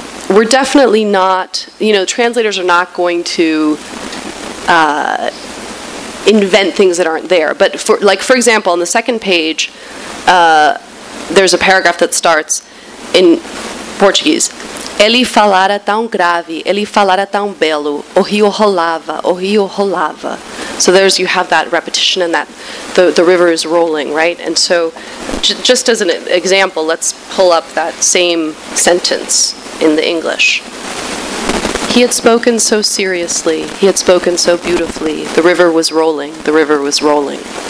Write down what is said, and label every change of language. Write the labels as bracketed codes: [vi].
[en] We're definitely not, you know, translators are not going to invent things that aren't there. But for example, on the second page, there's a paragraph that starts in Portuguese. [pt] Ele falara tão grave, ele falara tão belo, o rio rolava, o rio rolava. [en] So there's, you have that repetition and that the river is rolling, right? And so just as an example, let's pull up that same sentence in the English. He had spoken so seriously, he had spoken so beautifully, the river was rolling, the river was rolling.